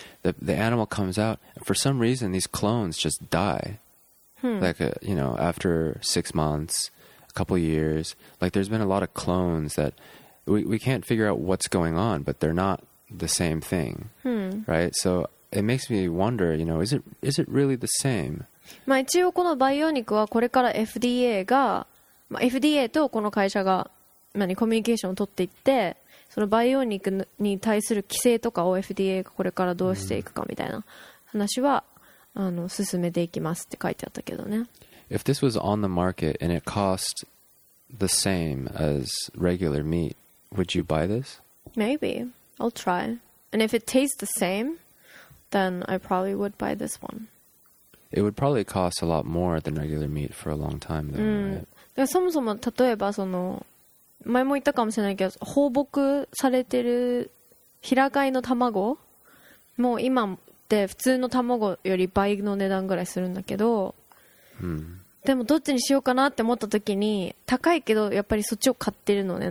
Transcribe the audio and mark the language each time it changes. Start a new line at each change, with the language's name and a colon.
English: The animal comes out. For some reason, these clones just die. Like, after 6 months, a couple years. Like there's been a lot of clones that we can't figure out what's going on, but they're not the same thing. Right? So it makes me wonder, you know, is it really the same?
Japanese: まあ一応このバイオニクはこれから FDA が、まあ、FDA とこの会社が何コミュニケーションを取っていってそのバイオニクに対する規制とかを FDA がこれからどうしていくかみたいな話は、mm. 進めていきますって書いてあったけどね。
English: If this was on the market and it cost the same as regular meat, would you buy this? Maybe. I'll try. And if it tastes the same, then I probably would buy this one. It would probably cost a lot more than regular meat for a long time, though, right?
Japanese: だからそもそも例えばその前も言ったかもしれないけど放牧されてる平飼いの卵もう今って普通の卵より倍の値段ぐらいするんだけど、 mm. でもどっちにしようかなって思った時に高いけどやっぱりそっちを買ってるのね。